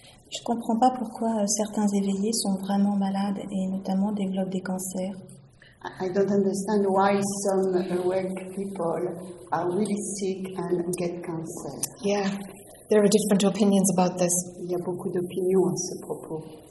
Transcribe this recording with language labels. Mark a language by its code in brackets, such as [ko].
[fr] Je comprends pas pourquoi certains éveillés sont vraiment malades et notamment développent des cancers. [en] I don't understand why some awake people are really sick and get cancer. Yeah, there are different opinions about this. [fr] Il y a beaucoup d'opinions à ce propos.